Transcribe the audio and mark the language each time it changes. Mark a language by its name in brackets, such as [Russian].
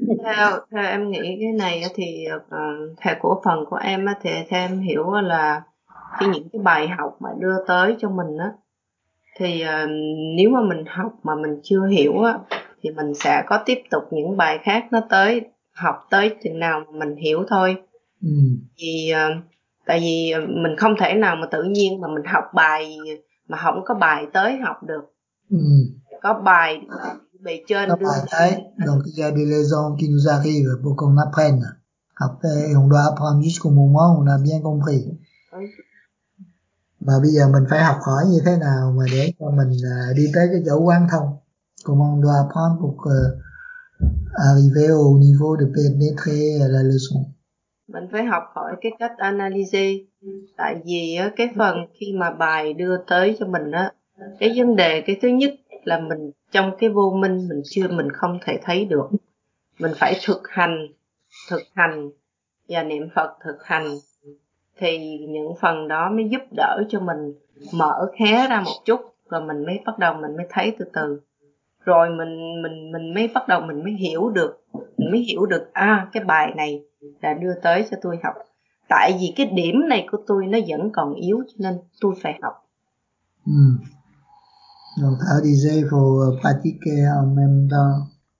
[Vietnamese] Theo em nghĩ cái này thì theo cổ phần của em á, thì theo em hiểu là cái những cái bài học mà đưa tới cho mình á, thì nếu mà mình học mà mình chưa hiểu á, thì mình sẽ có tiếp tục những bài khác nó tới, học tới chừng nào mà mình hiểu thôi. Thì tại vì mình không thể nào mà tự nhiên mà mình học bài mà không có bài tới học được. Có bài bề trên có bài tới, [French] donc il y a des leçons qui nous arrivent pour qu'on apprenne. Après, on doit apprendre jusqu'au moment où on a bien compris. [Vietnamese] Mà bây giờ mình phải học hỏi như thế nào mà để cho mình đi tới cái chỗ quán thông. [French] Comment on doit apprendre pour arriver au niveau de pénétrer la leçon. [Vietnamese] Mình phải học hỏi cái cách analyser. Tại vì cái phần khi mà bài đưa tới cho mình á, cái vấn đề cái thứ nhất là mình trong cái vô minh mình chưa, mình không thể thấy được. Mình phải thực hành và niệm Phật thực hành. Thì những phần đó mới giúp đỡ cho mình mở khé ra một chút, rồi mình mới bắt đầu mình mới thấy từ từ, rồi mình mới bắt đầu mình mới hiểu được, mình mới hiểu được a cái bài này đã đưa tới cho tôi học, tại vì cái điểm này của tôi nó vẫn còn yếu cho nên tôi phải học. [French] Donc tu disais il faut pratiquer en même temps.